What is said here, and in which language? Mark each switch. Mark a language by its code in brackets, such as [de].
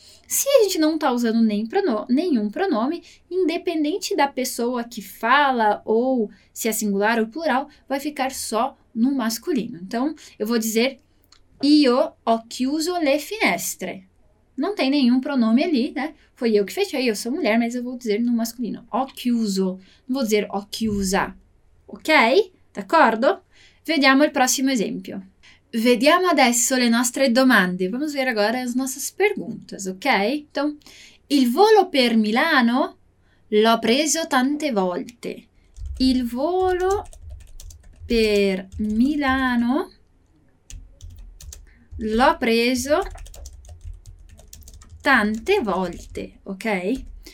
[pt] Se a gente não está usando nenhum pronome, independente da pessoa que fala ou se é singular ou plural, vai ficar só no masculino. Então, eu vou dizer: [it] Io ho chiuso le finestre. [pt] Não tem nenhum pronome ali, né? Foi eu que fechei, eu sou mulher, mas eu vou dizer no masculino: ho chiuso. Não vou dizer ho chiusa. Ok? D'accordo? [it] Vediamo il prossimo esempio. Vediamo adesso le nostre domande. [pt] Vamos ver agora as nossas perguntas, ok? [it] Então, il volo per Milano l'ho preso tante volte. Il volo per Milano l'ho preso tante volte, ok?